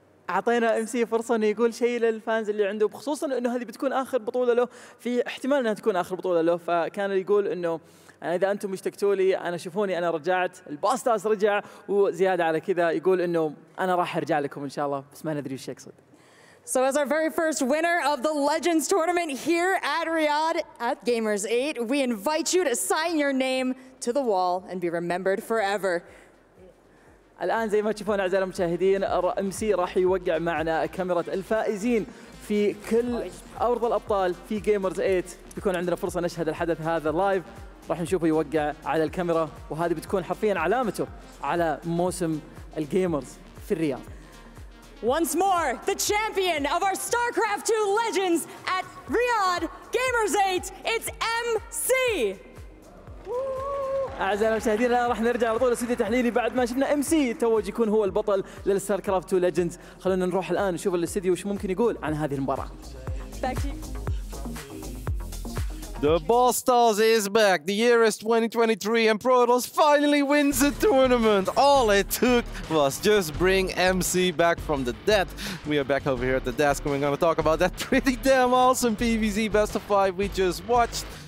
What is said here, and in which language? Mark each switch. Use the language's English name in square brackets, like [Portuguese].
[Arabic] أعطينا MC فرصة إنه يقول شيء للفانز اللي عنده بخصوصا إنه هذه بتكون آخر بطولة له في احتمال إنها تكون آخر بطولة له فكان يقول إنه إذا أنتم مشتكتوا لي أنا شوفوني أنا رجعت الباستاس رجع وزيادة على كذا يقول إنه أنا راح أرجع لكم إن شاء الله بس ما ندري وش يقصد. [English] So as our very first winner of the Legends tournament here at Riyadh at Gamers 8, we invite you to sign your name to the wall and be remembered forever. [Arabic] الآن زي ما تشوفون أعزائي المشاهدين MC راح يوقع معنا كاميرا الفائزين في كل أرض الأبطال في جيمرز 8 بيكون عندنا فرصة نشهد الحدث هذا لايف راح نشوفه يوقع على الكاميرا وهذه بتكون حرفيا علامته على موسم الجيمرز في الرياض. [English] Once more, the champion of our StarCraft 2 Legends at Riyadh, Gamers 8, it's MC! [Arabic] أعزائي المشاهدين الآن راح نرجع لطول استوديو تحليلي بعد ما شفنا MC توج يكون هو البطل للستار كرافت 2 ليجندز. خلونا نروح الآن نشوف الاستوديو وش ممكن يقول عن هذه المباراة. [English] The Boss Stars is back. The year is 2023 and Protoss finally wins the tournament. All it took was just bring MC back from the dead. We are back over here at the desk and we're going to talk about that pretty damn awesome PvZ best of five we just watched.